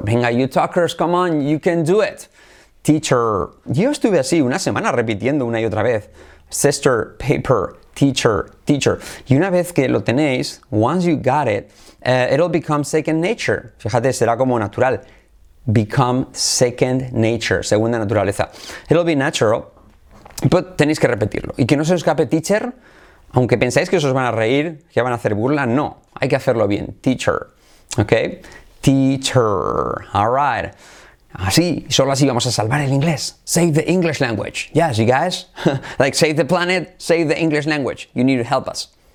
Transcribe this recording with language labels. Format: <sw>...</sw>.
<en>Venga, you talkers, come on, you can do it. Teacher.</en> <es>Yo estuve así una semana repitiendo una y otra vez.</es> <en>Sister, paper, teacher, teacher.</en> <es>Y una vez que lo tenéis,</es> <en>once you got it, it'll become second nature.</en> <es>Fíjate, será como natural.</es> <en>Become second nature,</en> <es>segunda naturaleza.</es> <en>It'll be natural.</en> <es>Pero tenéis que repetirlo. Y que no se os escape teacher, aunque pensáis que os van a reír, que van a hacer burla, no. Hay que hacerlo bien. Teacher. ¿Ok?</es> <en>Teacher. All right.</en> <es>Así, solo así vamos a salvar el inglés.</es> <en>Save the English language. Yes, you guys. Like save the planet, save the English language. You need to help us.</en>